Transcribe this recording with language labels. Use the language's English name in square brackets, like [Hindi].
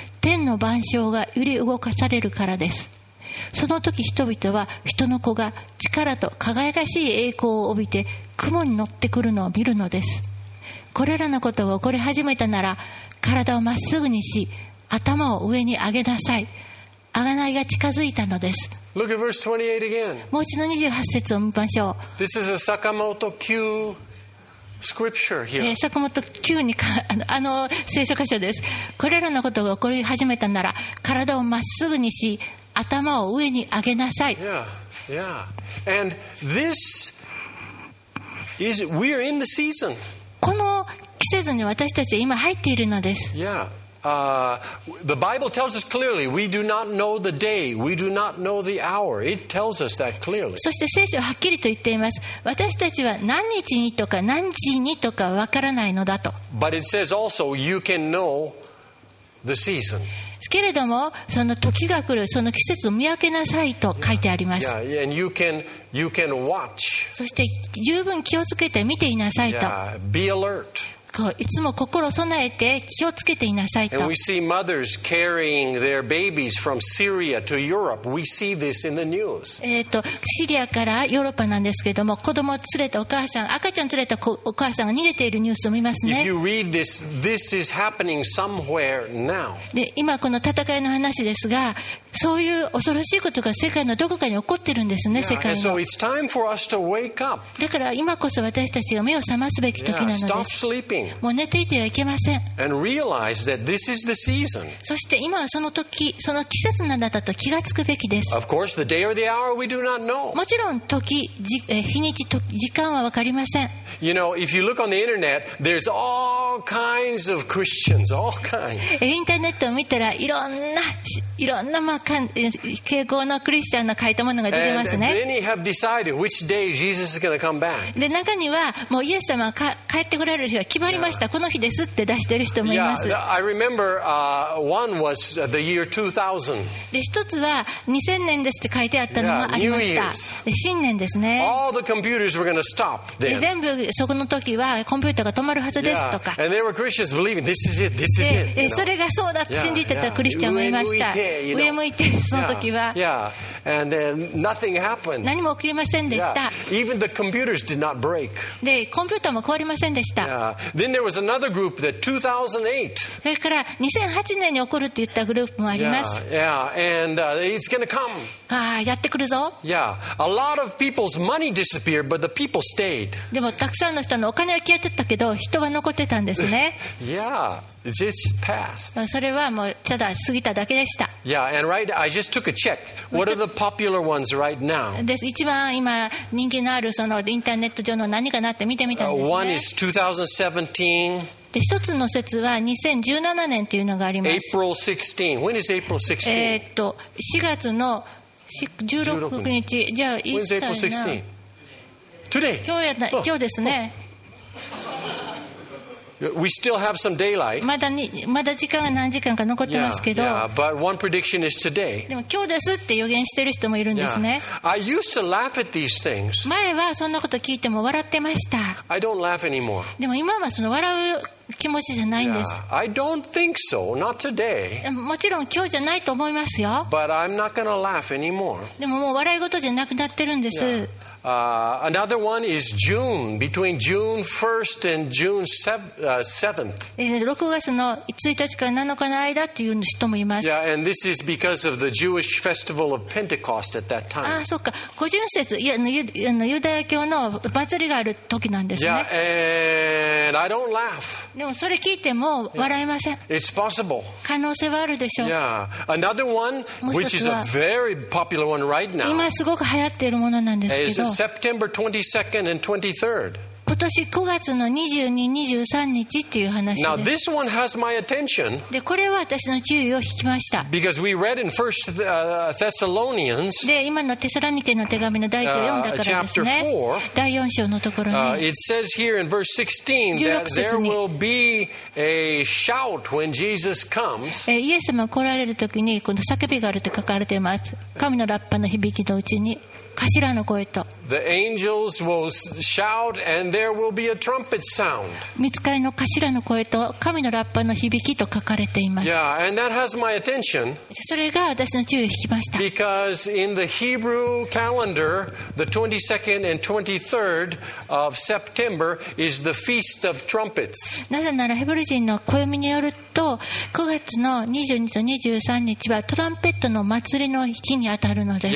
[Japanese] 天の万象が揺り動かされるからです。その時人々は人の子が力と輝かしい栄光を帯びて雲に乗ってくるのを見るのです。これらのことが起こり始めたなら、体をまっすぐにし頭を上に上げなさい。贖いが近づいたのです。 [English] Look at verse 28 again. [Japanese] もう一度28節を見ましょう。 [English] This is a Sakamoto Q scripture here. [Japanese] 坂本 Q にか聖書箇所です。これらのことが起こり始めたなら、体をまっすぐにし頭を上に上げなさい。 [English] Yeah, yeah. And this is, we're in the season. [Japanese] この季節に私たちは今入っているのです。 [English] Yeah. The Bible tells us clearly, we do not know the day, we do not know the hour. It tells us that clearly. [Japanese] そして聖書ははっきりと言っています。私たちは何日にとか何時にとかわからないのだと。 [English] But it says also, you can know the season. [Japanese] けれども、その時が来る、その季節を見分けなさいと書いてあります。 [English] Yeah, yeah, and you can watch. [Japanese] そして十分気をつけて見ていなさいと。 [English] Yeah, be alert. [Japanese] こういつも心備えて気をつけていなさいと。 [English] And we see mothers carrying their babies from Syria to Europe. We see this in the news. [Japanese] シリアからヨーロッパなんですけれども、子供を連れたお母さん、赤ちゃん連れたお母さんが逃げているニュースを見ますね。 [English] If you read this, this is happening somewhere now. [Japanese] で、今この戦いの話ですが、そういう恐ろしいことが世界のどこかに起こってるんですね。 [English] Yeah, [Japanese] 世界の。So、だから今こそ私たちが目を覚ますべき時なのです。 [English] Yeah, stop sleeping. [Japanese] もう寝ていてはいけません。 [English] And realize that this is the season. [Japanese] そして今はその時、その季節なんだと気がつくべきです。 [English] Of course, the day or the hour we do not know. [Japanese] もちろん時、日にち、時間はわかりません。 [English] You know, if you look on the internet, there's all kinds of Christians, all kinds. [Japanese] インターネットを見たらいろんな、まあ、傾向のクリスチャンの書いたものが出てますね。 [English] And many have decided which day Jesus is going to come back. [Japanese] で、中にはもうイエス様が帰ってこられる日は決まりました。この日ですって出してる人もいます。 [English] Yeah, I remember, one was the year 2000. [Japanese] で、一つは2000年ですって書いてあったのがありました。で、新年ですね。 [English] All the computers were going to stop then. [Japanese] で、全部そこの時はコンピューターが止まるはずですとか。 [English] And there were Christians believing this is it, this is it. [Japanese] で、それがそうだと信じてたクリスチャンもいました。上向いて、その時は。 [English] And then nothing happened. [Japanese] 何も起きませんでした。 [English] Even the computers did not break. [Japanese] で、コンピューターも壊れませんでした。 [English] Then there was another group that 2008. [Japanese] それから2008年に起こるって言ったグループもあります。 [English] And it's going to come. [Japanese] ああ、やってくるぞ。 [English] A lot of people's money disappeared, but the people stayed. [Japanese] でもたくさんの人のお金は消えてたけど、人は残ってたんですね。 [English] It's passed. [Japanese] それはもうただ過ぎただけでした。 [English] And right, I just took a check. What are the popular ones right now? [Japanese] で、一番今人気のあるそのインターネット上の何かなって見てみたんですね。 [English] One is 2017. [Japanese] で、一つの説は2017年というのがあります。 [English] April 16. When is April 16? [Japanese] 4月の16日。じゃあ、 [English] When is April 16? Today. [Japanese] 今日ですね。 [English] We still have some daylight. [Japanese] まだ時間が何時間か残ってますけど。 [English] But one prediction is today. [Japanese] でも今日ですって予言してる人もいるんですね。 [English] I used to laugh at these things. [Japanese] 前はそんなこと聞いても笑ってました。 [English] I don't laugh anymore. [Japanese] でも今はその笑う気持ちじゃないんです。 [English] I don't think so. Not today. [Japanese] もちろん今日じゃないと思いますよ。 [English] But I'm not going to laugh anymore. [Japanese] でももう笑い事じゃなくなってるんです。 [English] Another one is June, between June 1st and June 7th. [Japanese] 6月の1日から7日の間という人もいます。 [English] Yeah, and this is because of the Jewish festival of Pentecost at that time. [Japanese] ああ、そっか。五旬節、ユダヤ教の祭りがある時なんですね。 [English] Yeah, and I don't laugh. [Japanese] でもそれ聞いても笑えません。 [English] It's possible. [Japanese] 可能性はあるでしょう。 [English] Yeah. Another one, which is a very popular one right now. [Japanese] 今すごく流行っているものなんですけど。 [English] September 22nd and 23rd. [Japanese] 今年9月の22、23日っていう話です。 [English] Now this one has my attention. [Japanese] で、これは私の注意を引きました。 [English] Because we read in 1 Thessalonians. [Japanese] で、今のテサロニケの手紙の第1を読んだからですね。第4章のところに。 [English] It says here in verse 16 that there will be a shout when Jesus comes. [Japanese] イエス様が来られるときにこの叫びがあると書かれています。神のラッパの響きのうちに。頭の声と。 [English] The angels will shout and there will be a trumpet sound. [Japanese] 御使いの頭の声と神のラッパの響きと書かれています。 [English] Yeah, and that has my attention. [Japanese] それが私の注意を引きました。 [English] Because in the Hebrew calendar, the 22nd and 23rd of September is the feast of trumpets. [Japanese] なぜならヘブル人の暦によると、9月の22と23日はトランペットの祭りの日に当たるのです。